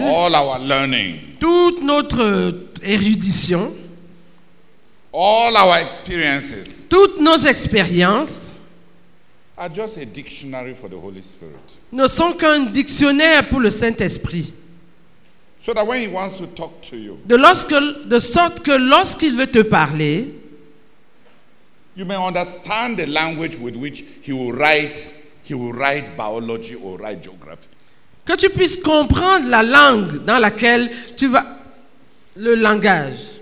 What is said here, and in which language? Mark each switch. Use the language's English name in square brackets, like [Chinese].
[English] All our learning. [French] Toute notre érudition. [English] All our experiences. [French] Toutes nos expériences. [English] Are just a dictionary for the Holy Spirit. [French] Ne sont qu'un dictionnaire pour le Saint-Esprit. [English] So that when he wants to talk to you. [French] De sorte que lorsqu'il veut te parler. [English] You may understand the language with which he will write biology or write geography. [French] Que tu puisses comprendre la langue dans laquelle tu vas le langage.